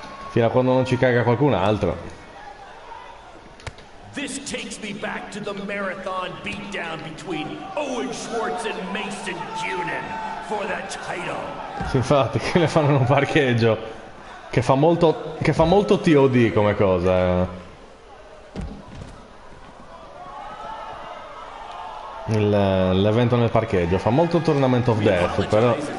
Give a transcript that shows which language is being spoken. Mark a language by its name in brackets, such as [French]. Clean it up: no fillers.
[Italian] Fino a quando non ci caga qualcun altro. [English] This takes me back to the marathon beatdown between Owen Schwartz and Mason Junin for the title. [Italian] Infatti, che le fanno un parcheggio che fa molto TOD come cosa. L'evento nel parcheggio fa molto Tournament of Death, però.